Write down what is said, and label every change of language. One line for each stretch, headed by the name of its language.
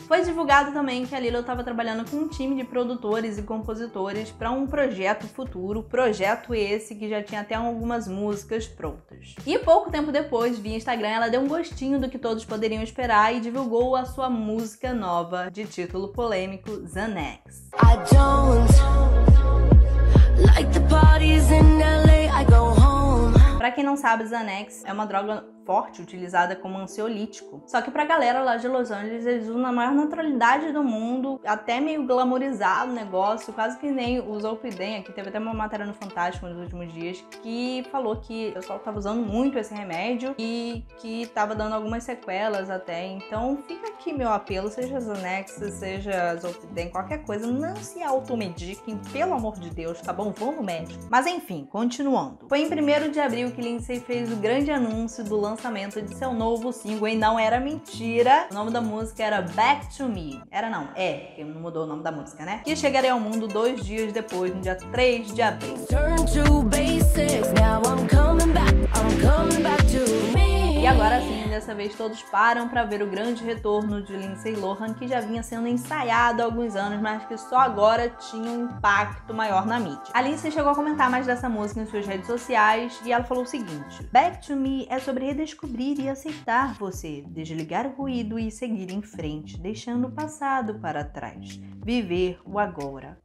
Portuguese: Foi divulgado também que a Lilo estava trabalhando com um time de produtores e compositores para um projeto futuro, projeto esse que já tinha até algumas músicas prontas. E pouco tempo depois, via Instagram, ela deu um gostinho do que todos poderiam esperar e divulgou a sua música nova, de título polêmico, Xanax.
English: I don't like the parties in LA, I go home.
Portuguese: Pra quem não sabe, Xanax é uma droga forte, utilizada como ansiolítico. Só que pra galera lá de Los Angeles, eles usam na maior naturalidade do mundo, até meio glamourizado o negócio, quase que nem o Zolpidem, aqui teve até uma matéria no Fantástico nos últimos dias, que falou que o pessoal tava usando muito esse remédio e que tava dando algumas sequelas até. Então fica aqui meu apelo, seja Xanax, seja Zolpidem, qualquer coisa, não se automediquem, pelo amor de Deus, tá bom? Vão no médico. Mas enfim, continuando. Foi em 1º de abril que Lindsay fez o grande anúncio do lançamento de seu novo single, e não era mentira, o nome da música era Back to Me. Era não, é, porque não mudou o nome da música, né? Que chegaria ao mundo 2 dias depois, no dia 3 de abril.
English: Turn to basics, now I'm coming back to me.
Portuguese: E agora sim, dessa vez todos param pra ver o grande retorno de Lindsay Lohan, que já vinha sendo ensaiado há alguns anos, mas que só agora tinha um impacto maior na mídia. A Lindsay chegou a comentar mais dessa música em suas redes sociais, e ela falou o seguinte: Back to Me é sobre redescobrir e aceitar você, desligar o ruído e seguir em frente, deixando o passado para trás, viver o agora.